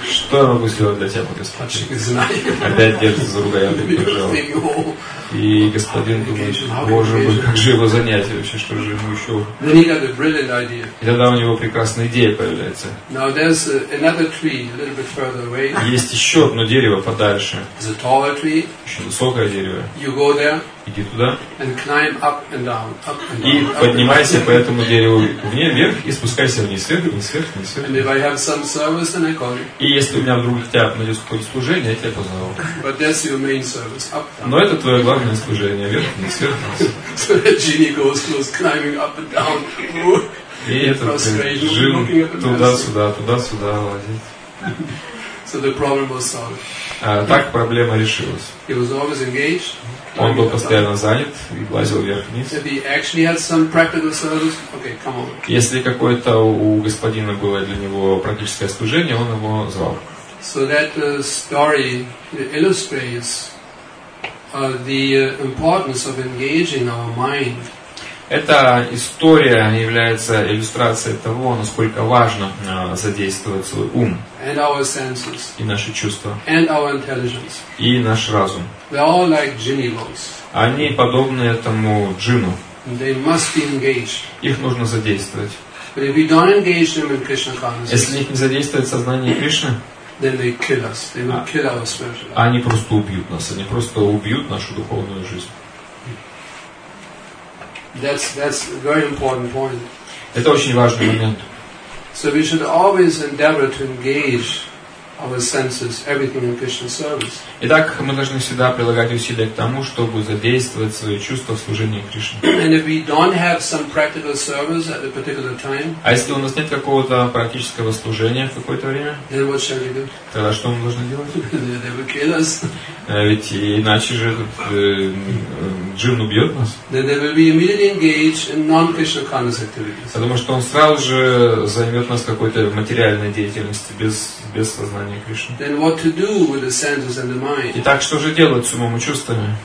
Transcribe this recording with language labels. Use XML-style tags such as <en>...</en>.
<ru>Что я могу сделать для тебя, господин? Опять держится за рукоятку и держал. И господин думает: боже мой, как же его занять вообще, что же ему еще? И тогда у него прекрасная идея появляется.</ru> <en>Now there's another tree a little bit further away.</en> <ru>Есть еще одно дерево подальше.</ru> <en>It's a taller tree.</en> <ru>Еще высокое дерево.</ru> <en>You go there.</en> <ru>Иди туда.</ru> <en>And climb up and down, up and down.</en> <ru>И поднимайся по этому дереву вверх и спускайся вниз, вверх, вниз.</ru> <en>And if I have some service, then I call you.</en> <ru>И если у меня вдруг тебя найдется какое-то служение, я тебя позову.</ru> <en>But that's your main service, up and down.</en> <ru>Но это твое главное служение, вверх, вниз, вверх, вниз.</ru> <en>So that genie goes close, climbing up and down.</en> <ru>И этот жил туда-сюда, туда-сюда</ru> <en>лазить. So the problem was solved.</en> <ru>Так проблема решилась.</ru> <en>He was always engaged.</en> <ru>Он был постоянно занят и лазил вверх-вниз.</ru> <en>If he actually had some practical service, okay, come over.</en> <ru>Если какое-то у господина было для него практическое служение, он его звал.</ru> <en>So that story illustrates the importance of engaging our mind.</en> <ru>Эта история является иллюстрацией того, насколько важно задействовать свой ум</ru> <en>and our senses,</en> <ru>и наши чувства</ru> <en>and our intelligence.</en> <ru>И наш разум.</ru> <en>They all like genie books.</en> <ru>Они подобны этому джину.</ru> <en>They must be engaged.</en> <ru>Их нужно задействовать.</ru> <en>But if we don't engage them in Krishna consciousness,</en> <ru>если их не задействовать в сознании Кришны,</ru> <en>then they kill us. They will kill our spiritual life.</en> <ru>Они просто убьют нас. Они просто убьют нашу духовную жизнь.</ru> <en>That's a very important point.</en> <ru>Это очень важный момент.</ru> <en>So we should always endeavor to engage our senses, everything in Krishna service.</en> <ru>Итак, мы должны всегда прилагать усилия к тому, чтобы задействовать свои чувства в служении Кришне.</ru> <en>And if we don't have some practical service at a particular time,</en> <ru>а если у нас нет какого-то практического служения в какое-то время,</ru> <en>then what shall we do?</en> <ru>Тогда что мы должны делать?</ru> <en>They will kill us.</en> <ru>Ведь иначе же этот джин убьет нас.</ru> <en>Then they will be immediately engaged in non-Krishna conscious activities.</en> <ru>Потому что он сразу же займет нас какой-то материальной деятельности без сознания Кришны.</ru> <en>Then what to do with the senses and the mind?</en> <ru>Итак, что же делать с умом и чувствами?</ru>